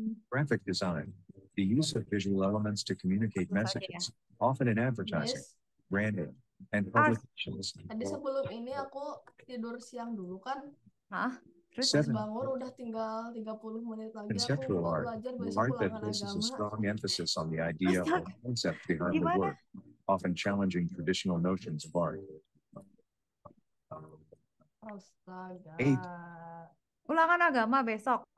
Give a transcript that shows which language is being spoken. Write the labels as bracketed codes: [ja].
[en] Graphic design, the use of visual elements to communicate messages, often in advertising, branding, and publications. [id] Tadi sebelum ini aku tidur siang dulu kan? Hah? [en] Seven. Conceptual art. Art that places a strong emphasis on the idea or concept behind the work, often challenging traditional notions of art. [id] Astaga. [en] Eight. [id] Ulangan agama besok.